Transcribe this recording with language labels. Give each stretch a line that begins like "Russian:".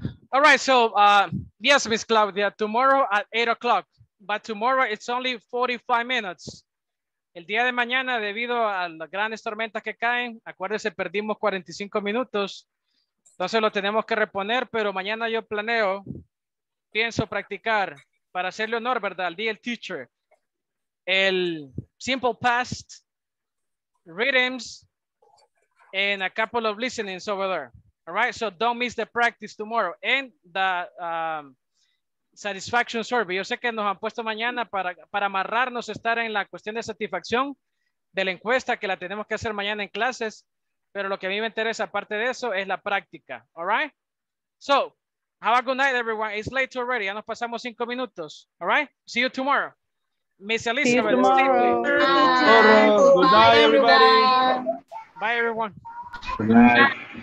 English: All right, so yes, Miss Claudia, tomorrow at 8:00, but tomorrow it's only 45 minutes.
Spanish: El día de mañana, debido a las grandes tormentas que caen, acuérdese, perdimos 45 minutos. Entonces lo tenemos que reponer, pero mañana yo pienso practicar para hacerle honor, ¿verdad? Al día del teacher.
English: El simple past rhythms and a couple of listenings over there. All right, so don't miss the practice tomorrow and the satisfaction survey.
Spanish: Yo sé que nos han puesto mañana para amarrarnos, estar en la cuestión de satisfacción de la encuesta que la tenemos que hacer mañana en clases, pero lo que a mí me interesa aparte de eso es la práctica.
English: All right, so have a good night, everyone. It's late already.
Spanish: Ya nos pasamos 5 minutos.
English: All right, see you tomorrow. Miss Elizabeth, see you tomorrow. Good night, everybody. Bye, everyone. Good night.